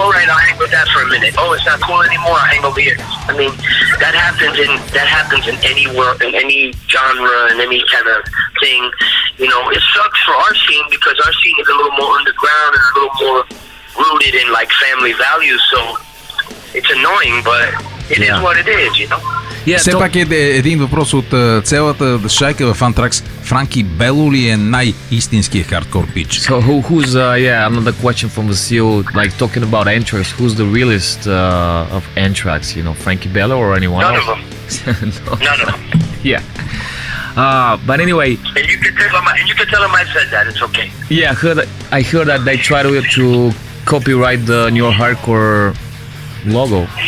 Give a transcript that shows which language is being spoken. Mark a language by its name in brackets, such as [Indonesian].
[English] All right, I'll hang with that for a minute. Oh, it's not cool anymore. I'll hang over here. I mean, that happens in any world, in any genre, in any kind of thing. You know, it sucks for our scene because our scene is a little more underground and a little more rooted in like family values. So it's annoying, but it is what it is. You know. [Bulgarian] Yeah, все пак е един въпрос от цялата шайка в Anthrax. Франки Бело ли е най-истинския хардкор пич? [English] So who's another question from Vasil, like talking about Anthrax, who's the realest of Anthrax, you know, Frankie Bello or anyone? None of them. None of them. Yeah. But anyway, and you can tell him I said that, it's okay. Yeah, I heard that they tried to copyright the new hardcore logo.